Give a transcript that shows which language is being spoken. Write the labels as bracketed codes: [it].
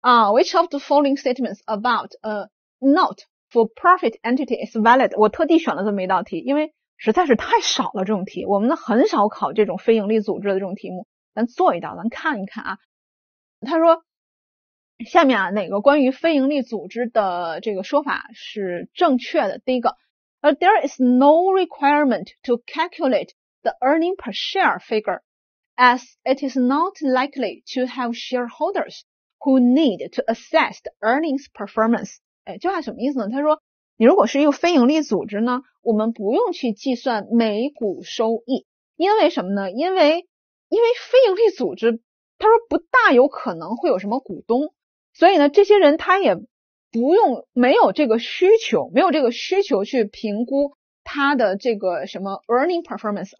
[en] Which of the following statements about a not for profit entity is valid? [zh] 我特地选了这么一道题，因为实在是太少了这种题，我们很少考这种非盈利组织的这种题目，咱做一道，咱看一看啊。他说下面啊哪个关于非盈利组织的这个说法是正确的，第一个 [en] there is no requirement to calculate the earning per share figureAs it is not likely to have shareholders who need to assess the earnings performance. [zh] 哎，这话什么意思呢？他说，你如果是一个非盈利组织呢，我们不用去计算每股收益，因为什么呢？因为非盈利组织，他说不大有可能会有什么股东，所以呢，这些人他也不用没有这个需求去评估他的这个什么 earning performance.